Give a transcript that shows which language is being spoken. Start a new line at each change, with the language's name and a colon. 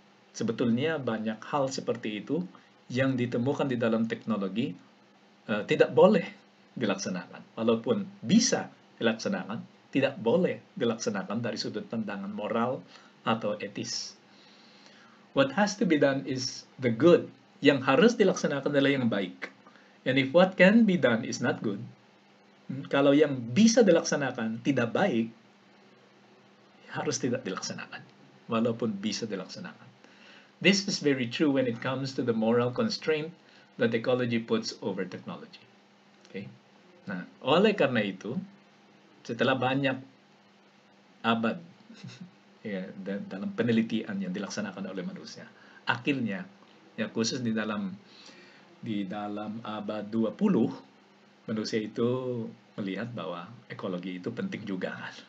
Indonesian: Sebetulnya banyak hal seperti itu yang ditemukan di dalam teknologi tidak boleh dilaksanakan. Walaupun bisa dilaksanakan, tidak boleh dilaksanakan dari sudut pandangan moral atau etis.
English: What has to be done is the good.
Indonesian: Yang harus dilaksanakan adalah yang baik.
English: And if what can be done is not good,
Indonesian: kalau yang bisa dilaksanakan tidak baik, harus tidak dilaksanakan. Walaupun bisa dilaksanakan.
English: This is very true when it comes to the moral constraint that ecology puts over technology. Okay?
Indonesian: Nah, oleh karena itu, setelah banyak abad ya, dalam penelitian yang dilaksanakan oleh manusia, akhirnya, ya, khusus di dalam abad 20, manusia itu melihat bahwa ekologi itu penting juga.